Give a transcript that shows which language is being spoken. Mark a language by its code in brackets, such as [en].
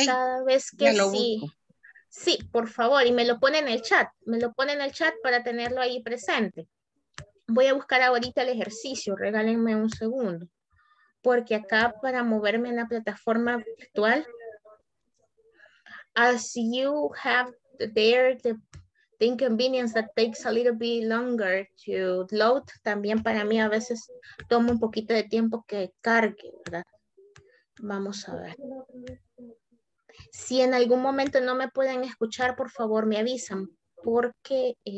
[es] cada vez que sí. Sí, por favor, y me lo pone en el chat. Me lo pone en el chat para tenerlo ahí presente. Voy a buscar ahorita el ejercicio. Regálenme un segundo. Porque acá para moverme en la plataforma virtual. [en] As you have there the inconvenience that takes a little bit longer to load. [es] También para mí a veces toma un poquito de tiempo que cargue, ¿verdad? Vamos a ver. Si en algún momento no me pueden escuchar, por favor, me avisan, porque